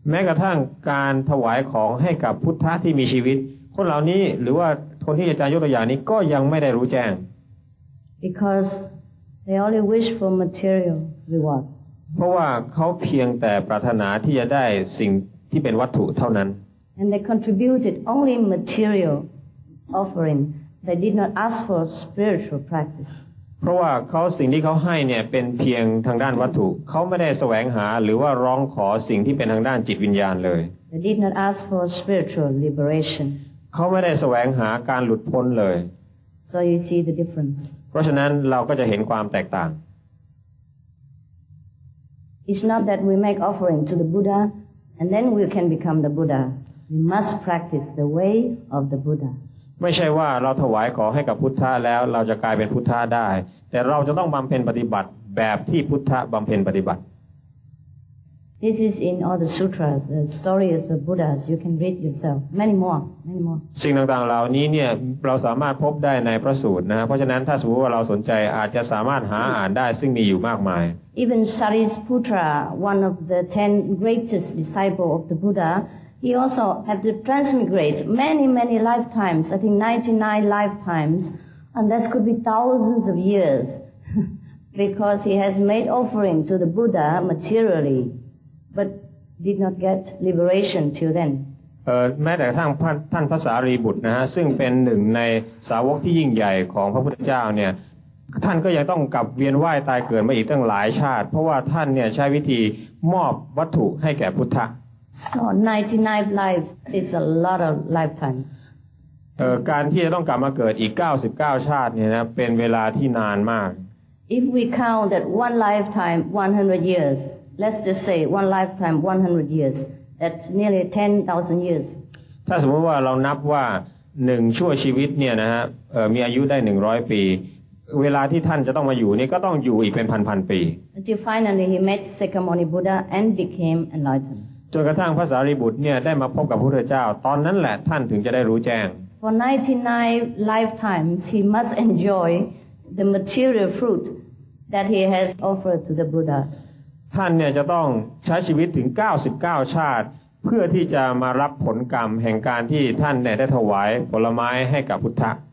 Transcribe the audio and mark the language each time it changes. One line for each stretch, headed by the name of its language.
Thai: แม้กระทั่งการถวายของให้กับพุทธะที่มีชีวิตคนเหล่านี้หรือว่าคนที่อาจารย์ยกตัวอย่างนี้ก็ยังไม่ได้รู้แจ้ง
English: Because they only wish for material reward
Thai: เพราะว่าเขาเพียงแต่ปรารถนาที่จะได้สิ่งที่เป็นวัตถุเท่านั้น
English: And they contributed only material offering. They did not ask for spiritual practice.
Thai: เพราะว่าเขาสิ่งที่เขาให้เนี่ยเป็นเพียงทางด้านวัตถุเขาไม่ได้แสวงหาหรือว่าร้องขอสิ่งที่เป็นทางด้านจิตวิญญาณเลย
English: They did not ask for spiritual liberation.
Thai: เขาไม่ได้แสวงหาการหลุดพ้นเลย
English: So you see the difference.
Thai: เพราะฉะนั้นเราก็จะเห็นความแตกต่าง
English: It's not that we make offering to the Buddha and then we can become the Buddha. We must practice the way of the Buddha.
Thai: ไม่ใช่ว่าเราถวายของให้กับพุทธะแล้วเราจะกลายเป็นพุทธะได้แต่เราจะต้องบำเพ็ญปฏิบัติแบบที่พุทธะบำเพ็ญปฏิบัติ
English: This is in all the sutras, the stories of Buddhas. You can read yourself. Many more.
Thai: สิ่งต่างๆเหล่านี้เนี่ยเราสามารถพบได้ในพระสูตรนะเพราะฉะนั้นถ้าสมมติว่าเราสนใจอาจจะสามารถหาอ่านได้ซึ่งมีอยู่มากมาย
English: Even Sariputra, one of the 10 greatest disciples of the Buddha, he also had to transmigrate many, many lifetimes. I think 99 lifetimes, and that could be thousands of years, because he has made offering to the Buddha materially. But did not get liberation till then.
Thai: แม้แต่ทั้งท่านพระสารีบุตรนะฮะซึ่งเป็นหนึ่งในสาวกที่ยิ่งใหญ่ของพระพุทธเจ้าเนี่ยท่านก็ยังต้องกลับเวียนว่ายตายเกิดมาอีกตั้งหลายชาติเพราะว่าท่านเนี่ยใช้วิธีมอบวัตถุให้แก่พุทธะ
English: So 99 lives is a lot of lifetime.
Thai: การที่จะต้องกลับมาเกิดอีก99ชาติเนี่ยนะเป็นเวลาที่นานมาก
English: If we count that one lifetime 100 years. Let's just say one lifetime 100 years. That's nearly 10,000 years.
Thai: ถ้าสมมติว่าเรานับว่า1ชั่วชีวิตเนี่ยนะฮะมีอายุได้100ปีเวลาที่ท่านจะต้องมาอยู่นี่ก็ต้องอยู่อีกเป็นพันๆปี
English: Until finally he met Shakyamuni Buddha and became enlightened.
Thai: จนกระทั่งพระสารีบุตรเนี่ยได้มาพบกับพระพุทธเจ้าตอนนั้นแหละท่านถึงจะได้รู้แจ้ง
English: For 99 lifetimes he must enjoy the material fruit that he has offered to the Buddha.
Thai: ท่านเนี่ยจะต้องใช้ชีวิตถึง99ชาติเพื่อที่จะมารับผลกรรมแห่งการที่ท่านเนี่ยได้ถวายผลไม้ให้กับพุทธะ